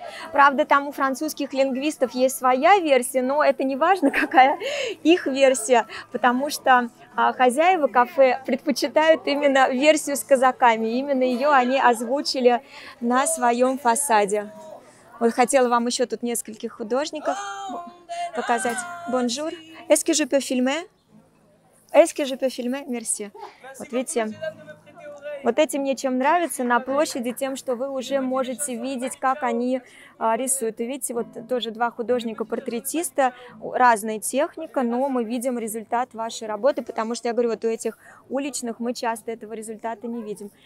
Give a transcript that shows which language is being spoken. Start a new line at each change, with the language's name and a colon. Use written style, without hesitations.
Russian: Правда, там у французских лингвистов есть своя версия, но это не важно, какая их версия, потому что хозяева кафе предпочитают именно версию с казаками, именно ее они озвучили на своем фасаде. Вот хотела вам еще тут нескольких художников показать.
French: Bonjour. Est-ce que je peux filmer? Est-ce que je peux filmer? Merci.
Russian: Вот видите, вот эти мне чем нравятся на площади, тем, что вы уже можете видеть, как они рисуют. И видите, вот тоже два художника-портретиста, разная техника, но мы видим результат вашей работы, потому что, я говорю, вот у этих уличных мы часто этого результата не видим.